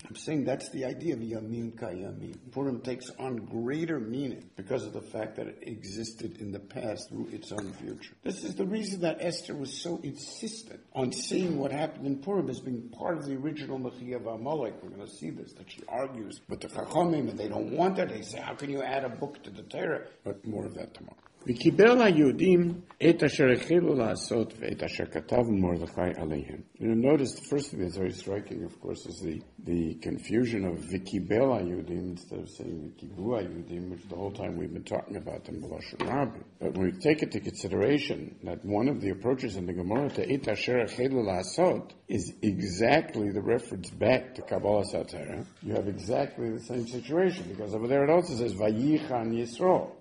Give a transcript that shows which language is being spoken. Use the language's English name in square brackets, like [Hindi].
[English] I'm saying that's the idea of Yamin Kayamin. Purim takes on greater meaning because of the fact that it existed in the past through its own future. This is the reason that Esther was so insistent on seeing what happened in Purim as being part of the original Mechiyah V'Amalek. We're going to see this, that she argues with the Chachamim, and they don't want that. They say, how can you add a book to the Torah? But more of that tomorrow. [Hebrew] וקיבל היהודים את אשר החלו לעשות ואת אשר כתב מרדכי עליהם. [English] You notice the first thing that's very striking, of course, is the confusion of [Hebrew] וקיבל היהודים [English] instead of saying [Hebrew] וקיבלו היהודים, [English] which the whole time we've been talking about them [Hebrew] בלשון רבי. [English] But when we take it to consideration that one of the approaches in the Gemara to [Hebrew] את אשר החלו לעשות [English] is exactly the reference back to Kabbalah Satera, you have exactly the same situation, because over there it also says [Hebrew] וייחן ישרו.